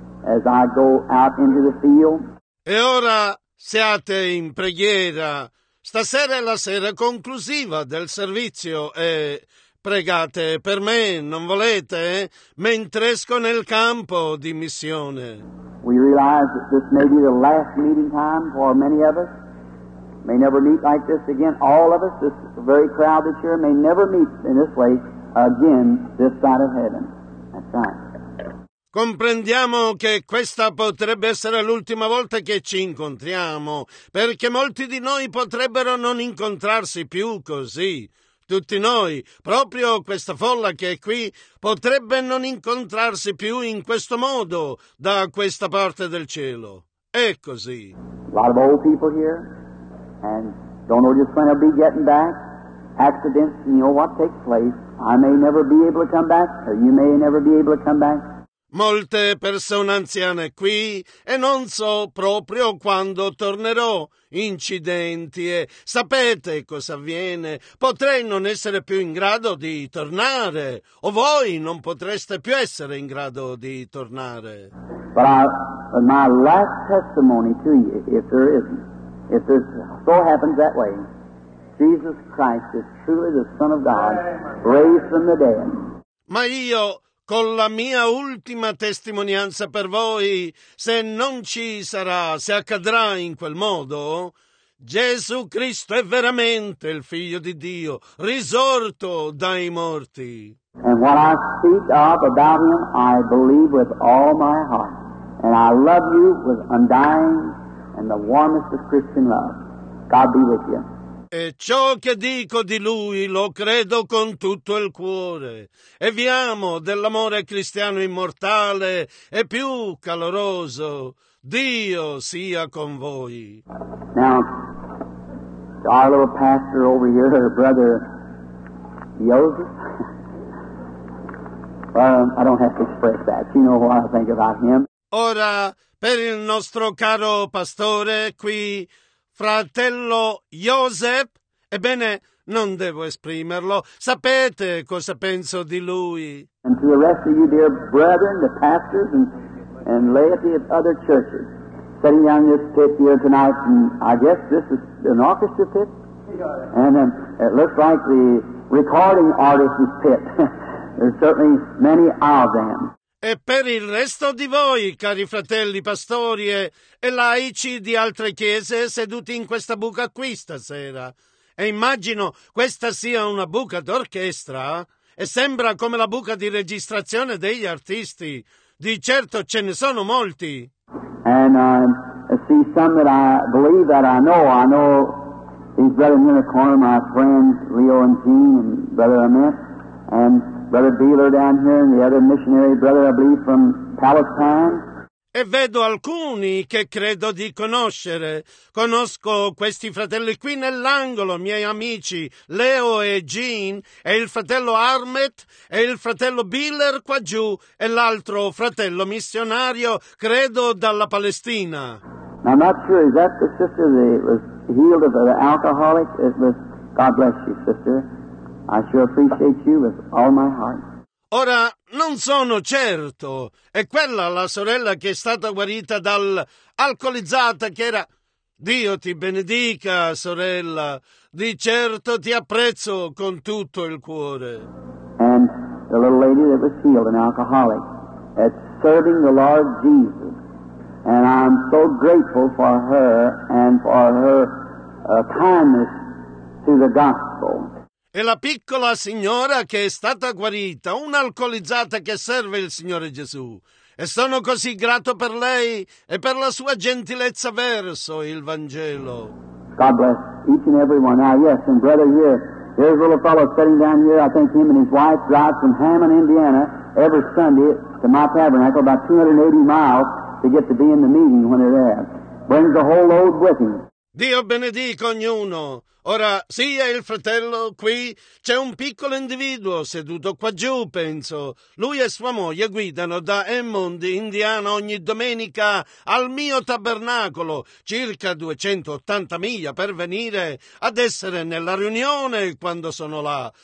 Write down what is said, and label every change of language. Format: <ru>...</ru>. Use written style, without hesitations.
<en>As I go out into the field.</en> <it>E ora siate in preghiera. Stasera è la sera conclusiva del servizio e pregate per me, non volete? Mentre esco nel campo di missione.</it> <en>We realize that this may be the last meeting time for many of us. May never meet like this again. All of us, this very crowd this year, may never meet in this way again this side of heaven. That's right.</en> <it>Comprendiamo che questa potrebbe essere l'ultima volta che ci incontriamo, perché molti di noi potrebbero non incontrarsi più così. Tutti noi, proprio questa folla che è qui, potrebbe non incontrarsi più in questo modo da questa parte del cielo. È così.</it> <en>A lot of old people here, and don't know just when I'll be getting back. Accidents, you know what takes place. I may never be able to come back, or you may never be able to come back.</en> <it>Molte persone anziane qui e non so proprio quando tornerò. Incidenti e sapete cosa avviene. Potrei non essere più in grado di tornare o voi non potreste più essere in grado di tornare.</it> <en>But my last testimony to you, if this so happens that way, Jesus Christ is truly the Son of God, raised from the dead.</en> <it>Ma io, con la mia ultima testimonianza per voi, se non ci sarà, se accadrà in quel modo, Gesù Cristo è veramente il Figlio di Dio, risorto dai morti.</it> <en>And what I speak of about Him, I believe with all my heart. And I love you with undying and the warmest of Christian love. God be with you.</en> <it>E ciò che dico di Lui lo credo con tutto il cuore. E vi amo dell'amore cristiano immortale e più caloroso. Dio sia con voi.</it> <en>Now, our little pastor over here, brother Joseph. I don't have to express that. You know what I think about him.</en> <it>Ora, per il nostro caro pastore qui, fratello Joseph, ebbene, non devo esprimerlo. Sapete cosa penso di lui.</it> <en>And to the rest of you, dear brethren, the pastors and laity of other churches, sitting on this pit here tonight, and I guess this is an orchestra pit, and it looks like the recording artist's pit. There's certainly many of them.</en> <it>E per il resto di voi, cari fratelli pastori e laici di altre chiese seduti in questa buca qui stasera, e immagino questa sia una buca d'orchestra e sembra come la buca di registrazione degli artisti. Di certo ce ne sono molti.</it> <en>And I see some that I believe that I know these brothers in the corner, my friends Leo and Jean and Brother Amit and Brother Beeler down here and the other missionary brother, I believe, from Palestine.</en> <it>E vedo alcuni che credo di conoscere. Conosco questi fratelli qui nell'angolo, miei amici, Leo e Jean, e il fratello Armet, e il fratello Beeler qua giù, e l'altro fratello missionario, credo, dalla Palestina.</it> <en>Now, I'm not sure, is that the sister that was healed of the alcoholic? It was, God bless you, sister. I sure appreciate you with all my heart.</en> <it>Ora, non sono certo. È quella la sorella che è stata guarita dal alcolizzata che era. Dio ti benedica, sorella. Di certo ti apprezzo con tutto il cuore.</it> <en>And the little lady that was healed, an alcoholic, at serving the Lord Jesus. And I'm so grateful for her and for her kindness to the gospel.</en> <it>E la piccola signora che è stata guarita, un'alcolizzata che serve il Signore Gesù. E sono così grato per lei e per la sua gentilezza verso il Vangelo.</it> <en>God bless each and every one. Now, yes, and brother here, there's a little fellow sitting down here. I think him and his wife drive from Hammond, Indiana, every Sunday to my tabernacle, about 280 miles, to get to be in the meeting when they're there. Brings the whole load with him.</en> <it>Dio benedica ognuno. Ora, sia il fratello qui. C'è un piccolo individuo seduto qua giù, penso. Lui e sua moglie guidano da Hammond, Indiana, ogni domenica al mio tabernacolo, circa 280 miglia per venire ad essere nella riunione quando sono là.</it>